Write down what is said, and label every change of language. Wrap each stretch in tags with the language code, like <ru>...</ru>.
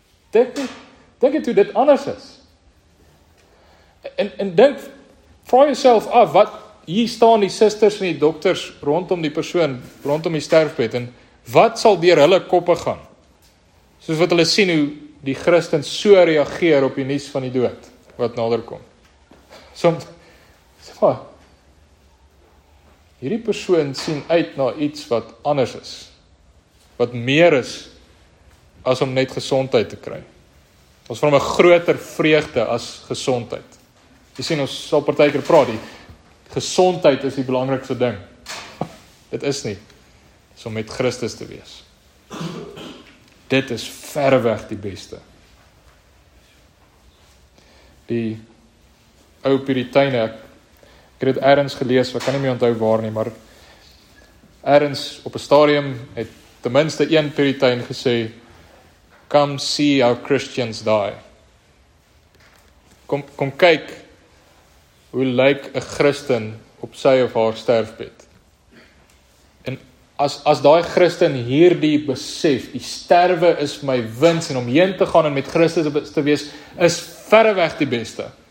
<af>Dink het hoe dit anders is. En dink, vra jouself af, wat hier staan die susters en die dokters rondom die persoon, rondom die sterfbed, en wat sal deur hulle koppe gaan? Soos wat hulle sien hoe die Christen so reageer op die nuus van die dood, wat nader kom. Hierdie persoon sien uit na iets wat anders is, wat meer is as om net gesondheid te kry. Ons van 'n groter vreugde as gesondheid. Jy sien, ons sal partykeer praat, die gesondheid is die belangrikste ding. Dit is nie. Dit is om met Christus te wees. Dit is verreweg die beste. Die ou Puritane, ek het ergens gelees, ek kan nie meer onthou waar nie, maar ergens op 'n stadium het ten minste een Puritein gesê,</af> <en>come see how Christians die.</en> <af>Kom kyk, hoe lyk 'n Christen op sy of haar sterfbed. En as daai Christen hierdie besef, die sterwe is my wins, en om heen te gaan en met Christus te wees, is verreweg die beste.</af>